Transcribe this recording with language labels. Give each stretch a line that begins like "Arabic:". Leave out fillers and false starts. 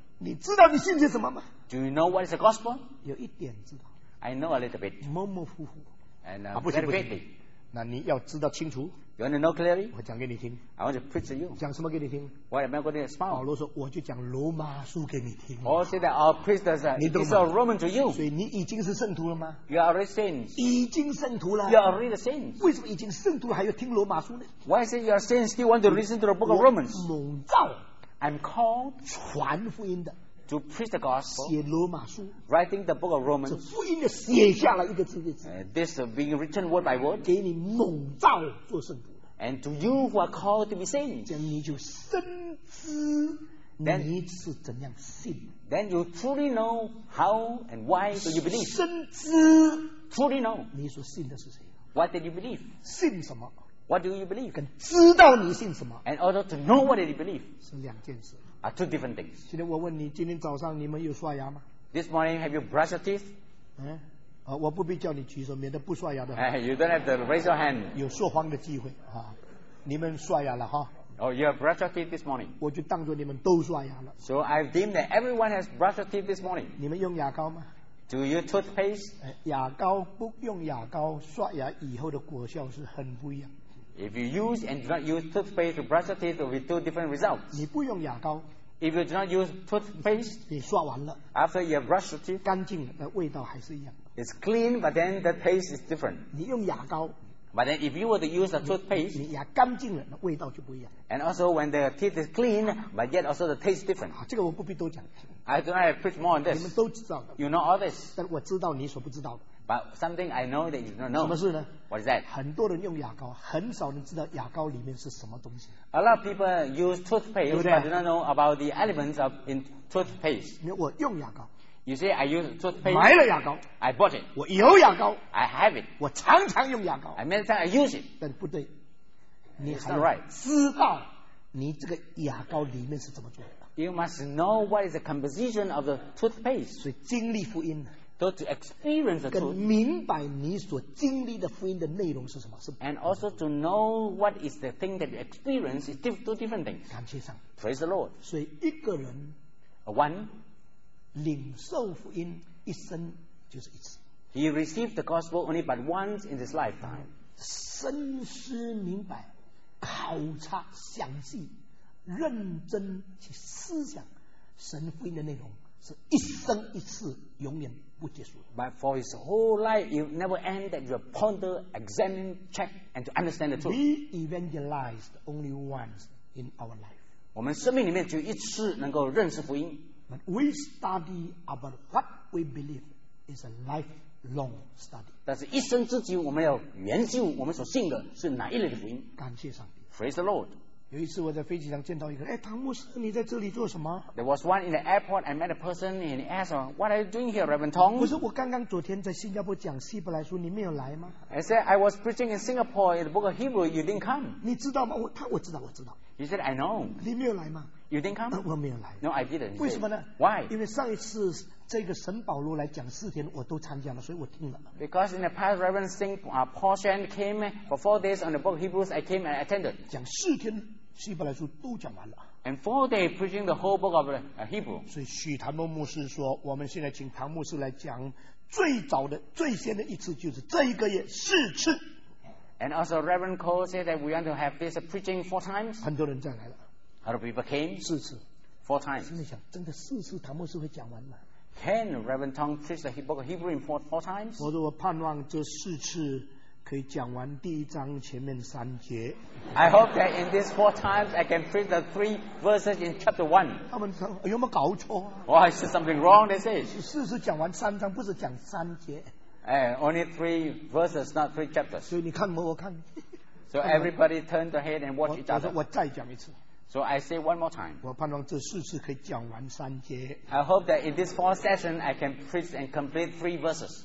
Chinese: 你知道你信些什么吗?
English: Do you know what is the gospel?
Chinese: 有一点知道,
English: I know a little bit.
Chinese: 模模糊糊,
English: and very vaguely.
Chinese: 那你要知道清楚,
English: you want to know clearly?
Chinese: 我讲给你听,
English: I want to preach to you.
Chinese: 讲什么给你听?
English: What am I going to expound?
Chinese: 保罗说, 我就讲罗马书给你听,
English: Paul said that our priest is a Roman to you.
Chinese: 所以你已经是圣徒了吗?
English: You are already saints.
Chinese: 已经圣徒了,
English: you are already saints.
Chinese: 为什么已经圣徒了还要听罗马书呢?
English: Why is it you are saints still want to listen to the book of Romans?
Chinese: 我蒙召,
English: I'm called
Chinese: 传福音的,
English: to preach the gospel,
Chinese: 写罗马书,
English: writing the book of Romans,
Chinese: 这福音的写下了一个字一个字,
English: this being written word by word,
Chinese: 给你蒙召做圣徒,
English: and to you who are called to be saints, then you truly know how and why do you believe,
Chinese: 深知,
English: truly know
Chinese: 你所信的是谁,
English: what did you believe,
Chinese: 信什么,
English: what do you believe,
Chinese: 跟知道你信什么,
English: and also to know what did you believe,
Chinese: 是两件事,
English: are two different things.
Chinese: 今天我问你, 今天早上你们有刷牙吗?
English: This morning, have you brushed your teeth?
Chinese: 我不必叫你举手, 免得不刷牙的,
English: you don't have to raise your hand.
Chinese: 有说谎的机会, 你们刷牙了,
English: oh, you have brushed your teeth this morning.
Chinese: 我就当作你们都刷牙了,
English: so I've deemed that everyone has brushed your teeth this morning.
Chinese: 你们用牙膏吗?
English: Do you use toothpaste?
Chinese: 牙膏不用牙膏, 刷牙以后的果效是很不一样。
English: If you use and do not use toothpaste to brush your teeth, there will be two different results.
Chinese: 你不用牙膏,
English: if you do not use toothpaste,
Chinese: 你刷完了,
English: after you have brushed your teeth,
Chinese: 干净的味道还是一样,
English: it's clean, but then the taste is different.
Chinese: 你用牙膏,
English: but then if you were to use a toothpaste,
Chinese: 你牙干净了,味道就不一样,
English: and also when the teeth is clean, but yet also the taste is different.
Chinese: 这个我不必多讲,
English: I do not have to preach more on this.
Chinese: 你们都知道,
English: you know all this.
Chinese: 但我知道你所不知道,
English: but something I know that you don't know.
Chinese: 什么事呢?
English: What is that?
Chinese: 很多人用牙膏, 很少人知道牙膏里面是什么东西。
English: A lot of people use toothpaste, but do not know about the elements of in toothpaste.
Chinese: 我用牙膏,
English: you say I use toothpaste,
Chinese: 买了牙膏,
English: I bought it,
Chinese: 我有牙膏,
English: I have it,
Chinese: 我常常用牙膏,
English: I many times I use it.
Chinese: 但不对,
English: it's not right.
Chinese: 知道你这个牙膏里面是怎么做的。
English: You must know what is the composition of the toothpaste.
Chinese: 所以经历福音,
English: so to experience the truth,
Chinese: 跟明白你所经历的福音的内容是什么,
English: and also to know what is the thing that you experience is two different things.
Chinese: 感谢上,
English: praise the Lord.
Chinese: 所以一个人,
English: one
Chinese: 领受福音, 一生就是一次,
English: he received the gospel only but once in his lifetime.
Chinese: 深思明白, 考察, 详细, 认真去思想, 神福音的内容, 是一生一次, 永远,
English: but for his whole life, it never ends that you ponder, examine, check, and to understand the truth. We evangelized only once in our life.
Chinese: 我们生命里面只有一次能够认识福音,
English: but we study about what we believe is a lifelong study.
Chinese: 但是一生之久我们要研究我们所信的是哪一类的福音。感谢上帝,
English: praise the Lord.
Chinese: 有一次我在飞机上见到一个, 哎, 唐牧师你在这里做什么?
English: There was one in the airport, I met a person and he asked, what are you doing here, Reverend Tong?
Chinese: 不是我刚刚昨天在新加坡讲希伯来书, 你没有来吗?
English: I said, I was preaching in Singapore in the book of Hebrew, you didn't come.
Chinese: 你知道吗?我知道。
English: He said, I know.
Chinese: 你没有来吗?
English: You didn't come?
Chinese: 我没有来。
English: No, I didn't.
Chinese: 为什么呢?
English: Why?
Chinese: 因为上一次, 这个神保罗来讲四天, 我都参加了, 所以我听了。
English: Because in the past, Reverend Singh, Paul Shen came for 4 days on the book of Hebrews, I came and attended.
Chinese: 讲四天, 希伯来书都讲完了,
English: and 4 days preaching the whole book of Hebrew.
Chinese: 所以许谭牧师说, 我们现在请唐牧师来讲, 最早的, 最先的一次, 就是这一个月, 四次。
English: And also Reverend Cole said that we want to have this preaching 4 times.
Chinese: 很多人再来了。
English: A lot of people came.
Chinese: 四次。
English: 4 times.
Chinese: 心里想, 真的四次, 唐牧师会讲完吗?
English: Can Reverend Tong preach the book of Hebrew in 4 times?
Chinese: 我说我盼望这四次可以讲完第一章前面三节。
English: I hope that in these 4 times I can preach the 3 verses in chapter 1.
Chinese: 他们说有没有搞错?
English: Why is something wrong, they say?
Chinese: 四次讲完三章不是讲三节。
English: Only 3 verses, not 3 chapters.
Chinese: 所以你看我看。
English: So everybody turn their head and watch each other.
Chinese: 我再讲一次。
English: So I say one more time.
Chinese: 我盼望这四次可以讲完三节。
English: I hope that in this 4 sessions I can preach and complete 3 verses.